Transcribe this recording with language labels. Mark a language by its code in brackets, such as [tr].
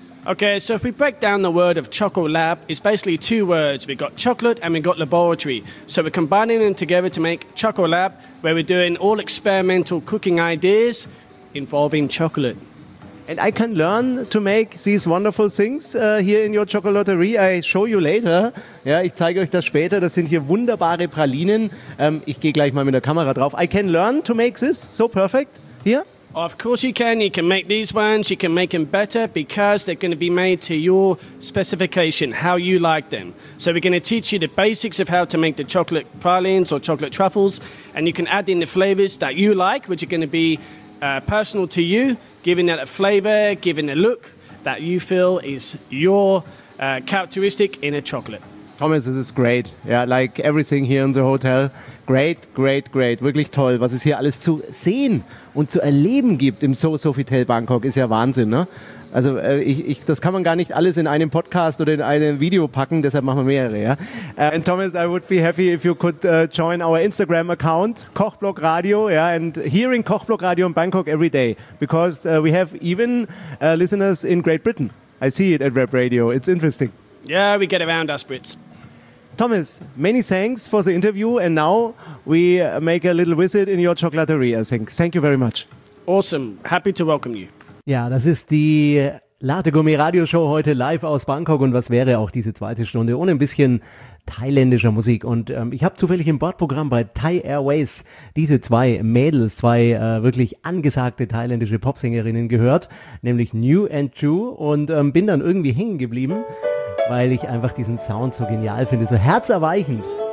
[en] Okay, so if we break down the word of Chocolab, it's basically two words. We've got chocolate and we've got laboratory. So we're combining them together to make Chocolab, where we're doing all experimental cooking ideas involving chocolate. And I can learn to make these wonderful things here in your chocolaterie. I show you later. [de] Ja, ich zeige euch das später. Das sind hier wunderbare Pralinen. Ich gehe gleich mal mit der Kamera drauf. [en] I can learn to make this so perfect here? Of course you can. You can make these ones. You can make them better because they're going to be made to your specification, how you like them. So we're going to teach you the basics of how to make the chocolate pralines or chocolate truffles. And you can add in the flavors that you like, which are going to be personal to you, giving that a flavor, giving a look that you feel is your characteristic in a chocolate. Thomas, this is great. Yeah, like everything here in the hotel, Great, great, great. [de] Wirklich toll, was es hier alles zu sehen und zu erleben gibt im So Sofitel Bangkok. Ist ja Wahnsinn, ne? Also ich, das kann man gar nicht alles in einem Podcast oder in einem Video packen, deshalb machen wir mehrere, ja. [en] And Thomas, I would be happy if you could join our Instagram account, Kochblog Radio, yeah, and hearing Kochblog Radio in Bangkok every day, because we have even listeners in Great Britain. I see it at Web Radio. It's interesting. Yeah, we get around us Brits. Thomas, many thanks for the interview, and now we make a little visit in your chocolaterie, I think. Thank you very much. Awesome. Happy to welcome you. [de] Ja, das ist die Lategummi-Radioshow heute live aus Bangkok. Und was wäre auch diese zweite Stunde ohne ein bisschen thailändischer Musik? Und ich habe zufällig im Bordprogramm bei Thai Airways diese zwei Mädels, zwei wirklich angesagte thailändische Popsängerinnen gehört, nämlich New and True, und bin dann irgendwie hängen geblieben, weil ich einfach diesen Sound so genial finde, so herzerweichend.